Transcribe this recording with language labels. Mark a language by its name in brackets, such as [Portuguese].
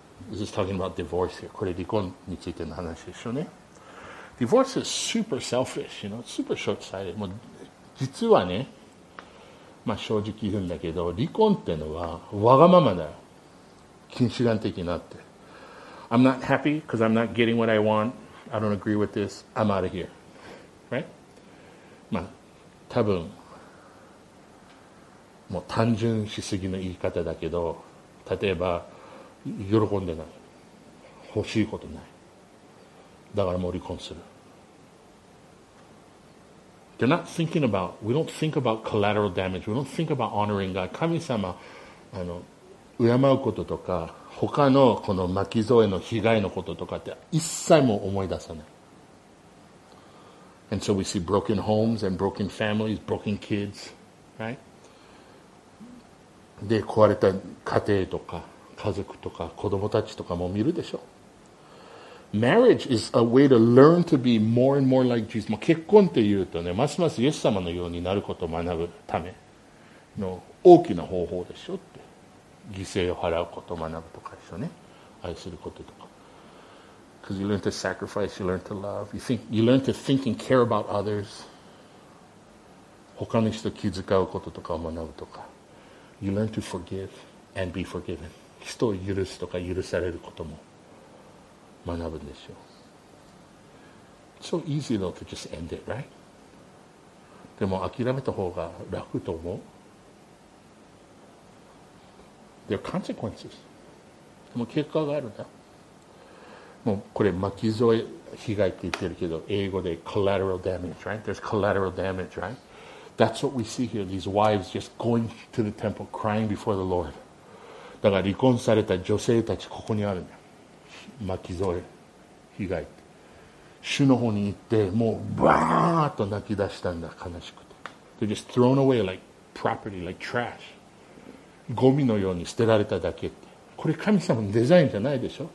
[English] This is talking about divorce here. [Japanese] これ離婚についての話でしょうね。 [English] Divorce is super selfish, you know, super short-sighted. [Japanese] もう実はね、まあ、正直言うんだけど離婚ってのはわがままだよ。禁止眼的になって。 [English] I'm not happy because I'm not getting what I want. I don't agree with this. I'm out of here. Right? [Japanese] まあ多分もう単純しすぎの言い方だけど、例えば喜んでない、欲しいことない、だからもう離婚する。 [English] They're not thinking about, we don't think about collateral damage. We don't think about honoring God. [Japanese] 神様、敬うこととか、他のこの巻き添えの被害のこととかって一切も思い出さない。 [English] And so we see broken homes and broken families, broken kids, right? [Japanese] で、壊れた家庭とか、家族とか、子供たちとかも見るでしょ。 [English] Marriage is a way to learn to be more and more like Jesus. [Japanese] 結婚って言うとね、ますますイエス様のようになることを学ぶための大きな方法でしょって。犠牲を払うことを学ぶとかでしょね。愛することとか。 [English] Because you learn to sacrifice, you learn to love, you learn to think and care about others. [Japanese] 他の人気遣うこととかを学ぶとか。 [English] You learn to forgive and be forgiven. [Japanese] 人を許すとか許されることも。学ぶんですよ。 [English] So easy though to just end it, right? [Japanese] でも諦めた方が楽と思う。 [English] There are consequences. [Japanese] でも結果があるんだ。もうこれ巻き添え被害って言ってるけど、英語で [English] collateral damage, right? There's collateral damage, right? That's what we see here. These wives just going to the temple, crying before the Lord. [Japanese] だから離婚された女性たちここにあるね。巻き添え被害って。主の方に行って、もうバーッと泣き出したんだ、悲しくて。 [English] They're just thrown away like property, like trash. [Japanese] ゴミのように捨てられただけって。これ神様のデザインじゃないでしょ。